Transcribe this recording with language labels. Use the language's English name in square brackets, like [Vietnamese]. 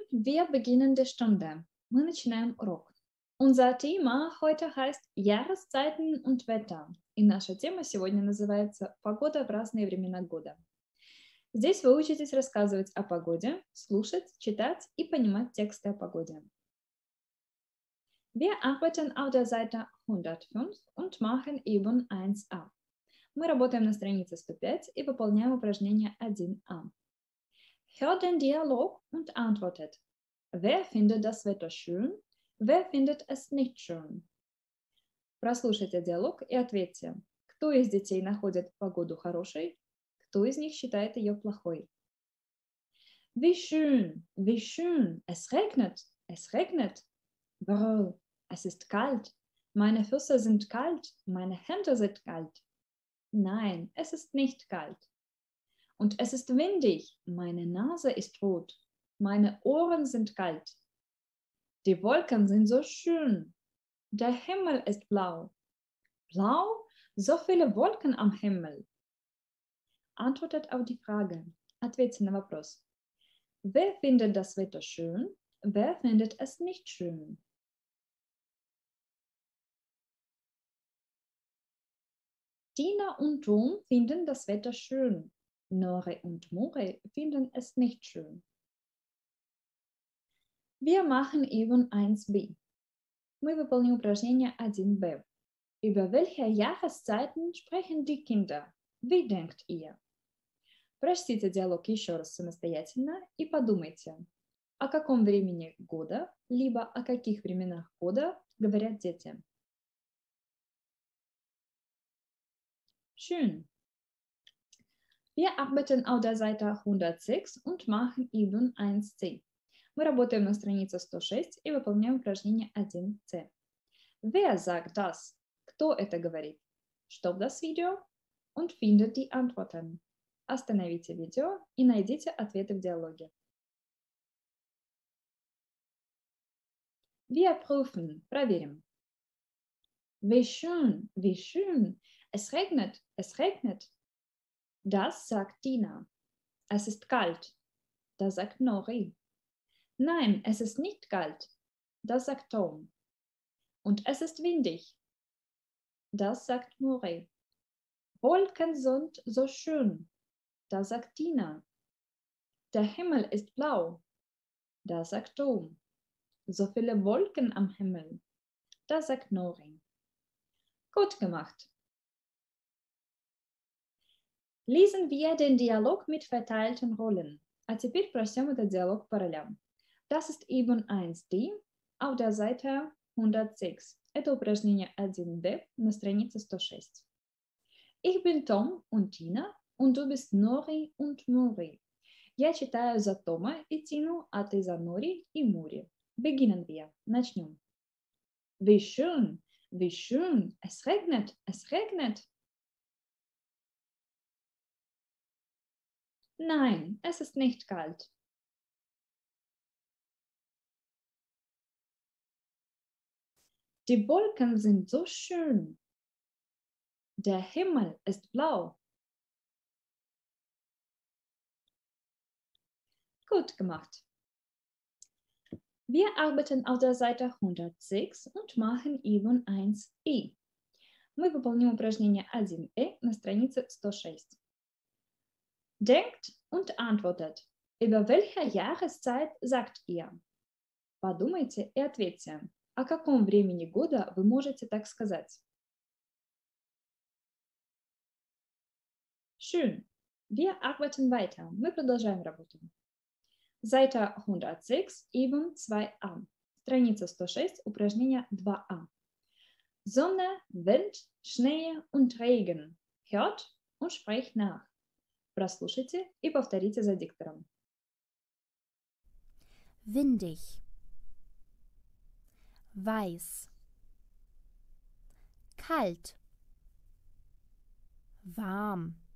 [German] Wir beginnen die Stunde. [Russian] Мы начинаем урок. [German] Unser Thema heute heißt Jahreszeiten und Wetter. [Russian] И наша тема сегодня называется «Погода в разные времена года». Здесь вы учитесь рассказывать о погоде, слушать, читать и понимать тексты о погоде. [German] Wir arbeiten auf der Seite 105 und machen eben 1a. [Russian] Мы работаем на странице 105 и выполняем упражнение 1a. [German] Hört den Dialog und antwortet. Wer findet das Wetter schön? Wer findet es nicht schön? [Russian] Прослушайте диалог и ответьте. Кто из детей находит погоду хорошей? Кто из них считает ее плохой? [German] Wie schön, es regnet, brrr, es ist kalt, meine Füße sind kalt, meine Hände sind kalt. Nein, es ist nicht kalt. Und es ist windig, meine Nase ist rot, meine Ohren sind kalt. Die Wolken sind so schön, der Himmel ist blau. Blau? So viele Wolken am Himmel. Antwortet auf die Frage. [Russian] Ответьте на вопрос. [German] Wer findet das Wetter schön? Wer findet es nicht schön? Tina und Tom finden das Wetter schön. Nore und Mori finden es nicht schön. Wir machen eben 1b. Мы выполним упражнение 1b. Über welche Jahreszeiten sprechen die Kinder? Wie denkt ihr? [Russian] Прочтите диалог еще раз самостоятельно и подумайте, о каком времени года, либо о каких временах года говорят дети. [German] Schön. Wir arbeiten auf der Seite 106 und machen eben 1c. [Russian] Мы работаем на странице 106 и выполняем упражнение 1c. [German] Wer sagt das? [Russian] Кто это говорит? [German] Stopp das Video und finde die Antworten. [Russian] Остановите видео и найдите ответы в диалоге. [German] Wir prüfen. [Russian] Проверим. [German] Wie schön, es regnet, Das sagt Tina. Es ist kalt. Das sagt Nori. Nein, es ist nicht kalt. Das sagt Tom. Und es ist windig. Das sagt Nori. Wolken sind so schön. Das sagt Tina. Der Himmel ist blau. Das sagt Tom. So viele Wolken am Himmel. Das sagt Nori. Gut gemacht. Lesen wir den Dialog mit verteilten Rollen. [Russian] А теперь прочтем этот диалог по ролям. [German] Das ist eben 1d auf der Seite 106. [Russian] Это упражнение 1d на странице 106. [German] Ich bin Tom und Tina und du bist Nori und Muri. [Russian] Я читаю за Тома и Тину, а ты за Нори и Мури. [German] Beginnen wir. [Russian] Начнем. [German] Wie schön, es regnet Nein, es ist nicht kalt. Die Wolken sind so schön. Der Himmel ist blau. Gut gemacht. Wir arbeiten auf der Seite 106 und machen eben 1e. [Russian] Мы выполним упражнение 1e на странице 106. [German] Denkt und antwortet. Über welche Jahreszeit sagt ihr? [Russian] Подумайте и ответьте. О каком времени года вы можете так сказать? [German] Schön. Wir arbeiten weiter. [Russian] Мы продолжаем работу. [German] Seite 106, eben 2a. [Russian] Страница 106, упражнение 2a. [German] Sonne, Wind, Schnee und Regen. Hört und sprecht nach. [Russian] Прослушайте и повторите за диктором. [German] Windig. Weiß. Kalt. Warm.